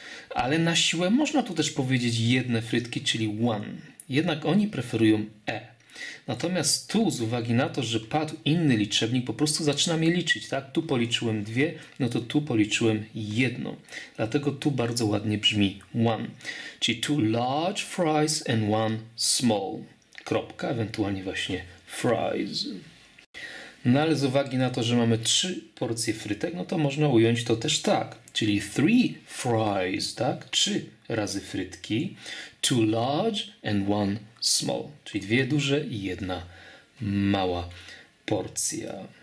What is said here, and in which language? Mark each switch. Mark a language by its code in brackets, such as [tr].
[pl] Ale na siłę można tu też powiedzieć jedne frytki, czyli one. Jednak oni preferują e. Natomiast tu, z uwagi na to, że padł inny liczebnik, po prostu zaczynam je liczyć, tak? Tu policzyłem dwie, no to tu policzyłem jedną. Dlatego tu bardzo ładnie brzmi one. Czyli [en] two large fries and one small. [pl] Kropka, ewentualnie właśnie fries. No ale z uwagi na to, że mamy trzy porcje frytek, no to można ująć to też tak. Czyli [en] three fries, [pl] tak? Trzy razy frytki. [en] Two large and one small. [pl] Czyli dwie duże i jedna mała porcja.